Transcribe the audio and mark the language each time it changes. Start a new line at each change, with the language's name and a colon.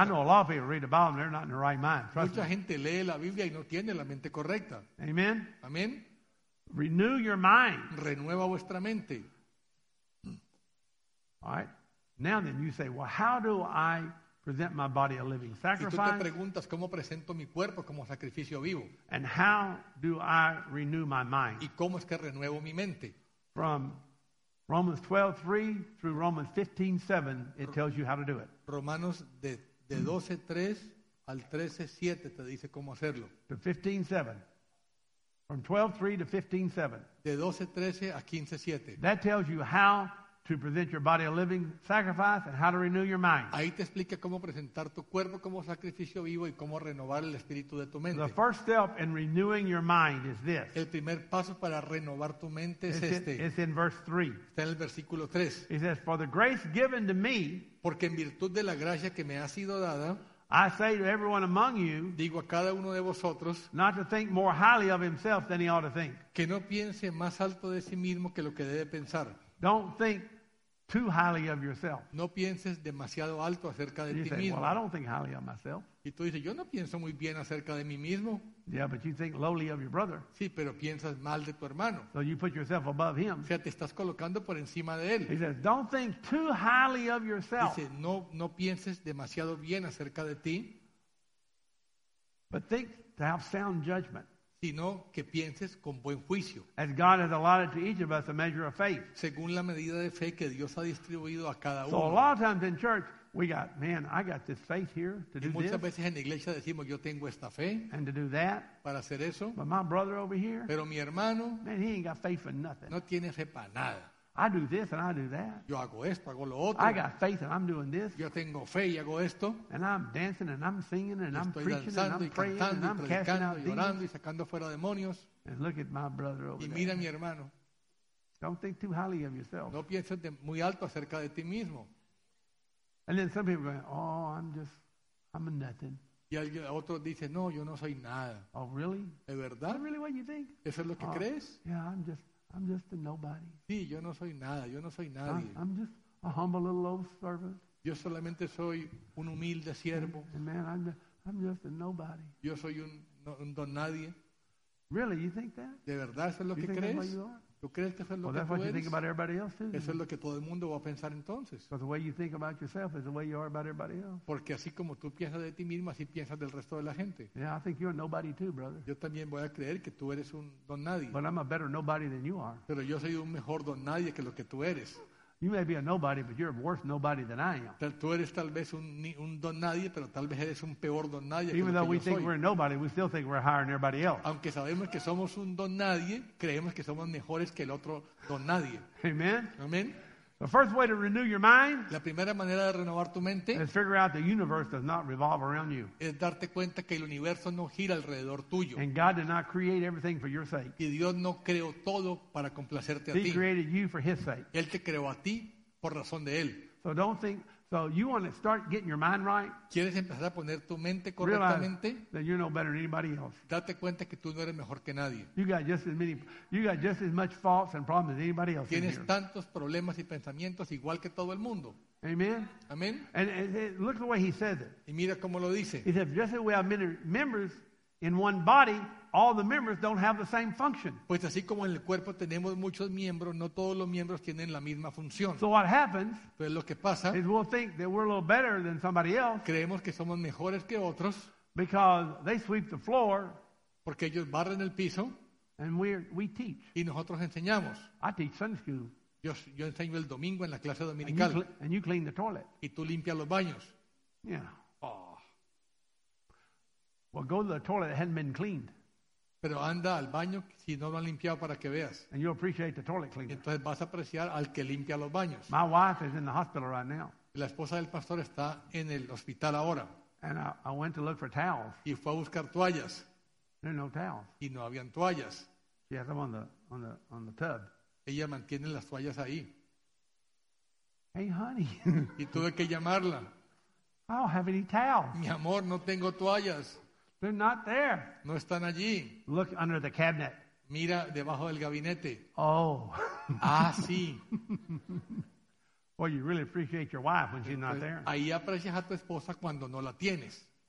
English: I know a lot of people read the Bible and they're not in their right mind. Trust
Spanish: Mucha
English: me.
Spanish: Gente lee la Biblia y no tiene la mente correcta.
English: Amen.
Spanish: Amen.
English: Renew your mind.
Spanish: Renueva vuestra mente.
English: All right. Now then, you say, well, how do I present my body a living sacrifice?
Spanish: Y tú te preguntas, ¿cómo presento mi cuerpo como sacrificio vivo?
English: And how do I renew my mind?
Spanish: ¿Y cómo es que renuevo mi mente?
English: From Romans 12:3 through Romans 15:7, it tells you how to do it.
Spanish: Romanos de 12:3 al 13:7 te dice cómo hacerlo.
English: To 15:7. From 12:3 to 15:7.
Spanish: De 12:13 a 15:7.
English: That tells you how to present your body a living sacrifice and how to renew your mind.
Spanish: Ahí te explica cómo presentar tu cuerpo como sacrificio vivo y cómo renovar el espíritu de tu mente.
English: The first step in renewing your mind is this.
Spanish: El primer paso para renovar tu mente es este.
English: It's in verse 3.
Spanish: Está en el versículo 3.
English: He says, for the grace given to me,
Spanish: porque en virtud de la gracia que me ha sido dada,
English: I say to everyone among you,
Spanish: digo a cada uno de vosotros,
English: not to think more highly of himself than he ought to think.
Spanish: Que no piense más alto de sí mismo que lo que debe pensar.
English: Don't think too highly of yourself.
Spanish: No pienses demasiado alto acerca de ti mismo.
English: Well, I don't think highly of myself.
Spanish: Y tú dices, yo no pienso muy bien acerca de mí mismo.
English: Yeah, but you think lowly of your brother.
Spanish: Sí, pero piensas mal de tu hermano.
English: So you put yourself above him.
Spanish: O sea, te estás colocando por encima de él.
English: He says, don't think too highly of yourself.
Spanish: Dice, no pienses demasiado bien acerca de ti.
English: But think to have sound judgment.
Spanish: Sino que pienses con buen juicio.
English: As God has allotted to each of us a measure of faith.
Spanish: Según la medida de fe que Dios ha distribuido a cada uno.
English: So a lot of times in church, we got, man, I got this faith here to do this.
Spanish: Y muchas veces en la iglesia decimos, yo tengo esta fe.
English: And to do that.
Spanish: Para hacer eso.
English: But my brother over here.
Spanish: Pero mi hermano.
English: Man, he ain't got faith for nothing.
Spanish: No tiene fe para nada.
English: I do this and I do that.
Spanish: Yo hago esto, hago lo otro.
English: I got faith and I'm doing this.
Spanish: Yo tengo fe y hago esto.
English: And I'm dancing and I'm singing and I'm preaching and I'm praying and I'm casting out demons
Spanish: y sacando fuera demonios.
English: And look at my brother over there.
Spanish: Y mira a mi hermano.
English: Don't think too highly of yourself.
Spanish: No pienses muy alto acerca de ti mismo.
English: And then some people go, oh, I'm a nothing.
Spanish: Y otro dice, no, yo no soy nada.
English: Oh, really?
Spanish: ¿De verdad?
English: Is that really what you think?
Spanish: ¿Eso es lo que crees?
English: Yeah, I'm just a nobody.
Spanish: Sí, yo no soy nada, yo no soy nadie.
English: I'm just a humble little old servant.
Spanish: Yo solamente soy un humilde siervo.
English: Man, I'm just a nobody.
Spanish: Yo soy un don nadie.
English: Really, you think that?
Spanish: ¿De verdad eso es lo
English: you
Spanish: que crees? ¿Tú crees que eso es lo que tú eres?
English: You think about everybody else too,
Spanish: eso es lo que todo el mundo va a pensar entonces.
English: Because the way you think about yourself is the way you are about everybody else.
Spanish: Porque así como tú piensas de ti mismo, así piensas del resto de la gente.
English: Yeah, I think you're a nobody too, brother.
Spanish: Yo también voy a creer que tú eres un don nadie.
English: But I'm a better nobody than you are.
Spanish: Pero yo soy un mejor don nadie que lo que tú eres.
English: You may be a nobody, but you're a worse nobody than I am.
Spanish: Tú eres tal vez un don nadie, pero tal vez eres un peor don nadie.
English: Even though we think we're nobody, we still think we're higher than everybody else.
Spanish: Aunque sabemos que somos un don nadie, creemos que somos mejores que el otro don nadie.
English: Amen.
Spanish: Amen.
English: The first way to renew your mind.
Spanish: La primera manera de renovar tu mente.
English: Is figure out the universe does not revolve around you.
Spanish: Es darte cuenta que el universo no gira alrededor tuyo.
English: And God did not create everything for your sake.
Spanish: Y Dios no creó todo para complacerte a ti.
English: He created you for His sake.
Spanish: Él te creó a ti por razón de él.
English: So don't think. So you want to start getting your mind right.
Spanish: ¿Quieres empezar a poner tu mente correctamente?
English: Realize that you're no better than anybody else.
Spanish: Date cuenta que tú no eres mejor que nadie.
English: You got just as much faults and problems as anybody else.
Spanish: Tienes tantos problemas y pensamientos igual que todo el mundo.
English: Amen.
Spanish: Amen.
English: And look the way he says it.
Spanish: Y mira cómo lo dice.
English: He says, just as we have many members in one body, all the members don't have the same function.
Spanish: Pues así como en el cuerpo tenemos muchos miembros, no todos los miembros tienen la misma función.
English: So what happens?
Spanish: Pues lo que pasa
English: is we'll think that we're a little better than somebody else.
Spanish: Creemos que somos mejores que otros.
English: Because they sweep the floor.
Spanish: Porque ellos barren el piso.
English: And we teach.
Spanish: Y nosotros enseñamos.
English: I teach Sunday school.
Spanish: Yo enseño el domingo en la clase dominical.
English: And you clean the toilet.
Spanish: Y tú limpias los baños.
English: Yeah. Oh. Well, go to the toilet that hadn't been cleaned.
Spanish: Pero anda al baño si no lo han limpiado para que veas.
English: And you'll appreciate the toilet cleaner.
Spanish: Entonces vas a apreciar al que limpia los baños.
English: My wife is in the hospital right now.
Spanish: La esposa del pastor está en el hospital ahora.
English: And I went to look for towels.
Spanish: Y fue a buscar toallas.
English: There are no towels.
Spanish: Y no habían toallas.
English: She has them on the tub.
Spanish: Ella mantiene las toallas ahí.
English: Hey, honey.
Spanish: Y tuve que llamarla.
English: I don't have any towels.
Spanish: Mi amor, no tengo toallas.
English: They're not there.
Spanish: No están allí.
English: Look under the cabinet.
Spanish: Mira debajo del gabinete. Oh. Ah, sí.
English: Well, you really appreciate your wife when she's not there.
Spanish: Ahí aprecias a tu esposa cuando no la tienes.